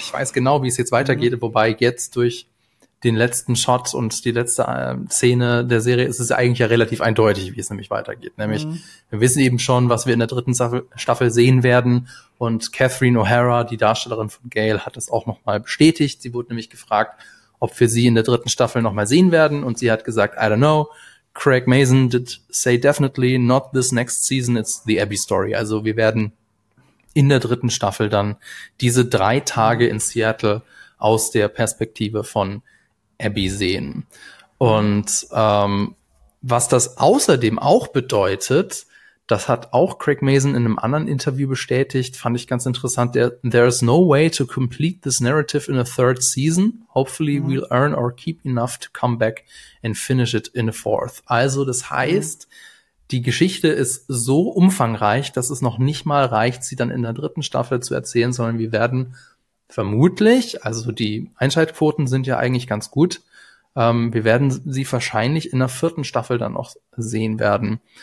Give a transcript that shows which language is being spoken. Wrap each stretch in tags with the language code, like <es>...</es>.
<de>Ich weiß genau, wie es jetzt weitergeht. Mhm. Wobei jetzt durch den letzten Shot und die letzte Szene der Serie ist es eigentlich ja relativ eindeutig, wie es nämlich weitergeht. Nämlich, wir wissen eben schon, was wir in der dritten Staffel sehen werden. Und Catherine O'Hara, die Darstellerin von Gale, hat das auch noch mal bestätigt. Sie wurde nämlich gefragt, ob wir sie in der dritten Staffel noch mal sehen werden. Und sie hat gesagt, I don't know.</de> <en>Craig Mazin did say definitely not this next season, it's the Abby story.</en> <de>Also wir werden in der dritten Staffel dann diese 3 Tage in Seattle aus der Perspektive von Abby sehen. Und was das außerdem auch bedeutet, das hat auch Craig Mazin in einem anderen Interview bestätigt, fand ich ganz interessant.</de> <en>There is no way to complete this narrative in a third season. Hopefully we'll earn or keep enough to come back and finish it in a fourth.</en> <de>Also das heißt, die Geschichte ist so umfangreich, dass es noch nicht mal reicht, sie dann in der dritten Staffel zu erzählen, sondern wir werden vermutlich, also die Einschaltquoten sind ja eigentlich ganz gut, wir werden sie wahrscheinlich in der vierten Staffel dann noch sehen werden.</de>